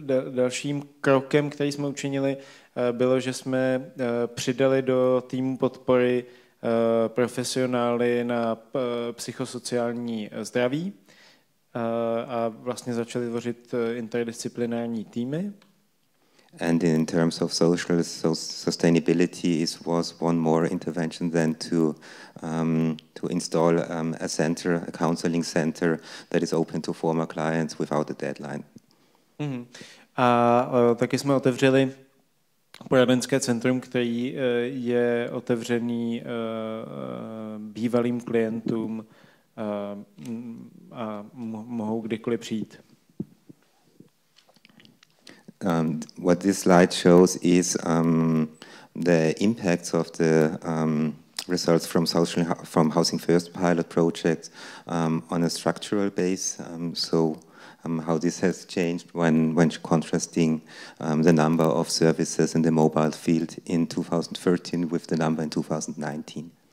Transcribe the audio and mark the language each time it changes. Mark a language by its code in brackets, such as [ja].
[cs] Dalším krokem, který jsme učinili, bylo, že jsme přidali do týmu podpory profesionály na psychosociální zdraví. A vlastně začali tvořit interdisciplinární týmy. [en] And in terms of social sustainability, it was one more intervention than to install a center, a counseling center that is open to former clients without a deadline. Mm-hmm. [cs] A taky jsme otevřeli poradenské centrum, který je otevřený bývalým klientům. A mohou kdykoliv přijít. [en] What this slide shows is the impacts of the results from Housing First pilot project on a structural base. How this has changed when contrasting the number of services in the mobile field in 2013 with the number in 2019.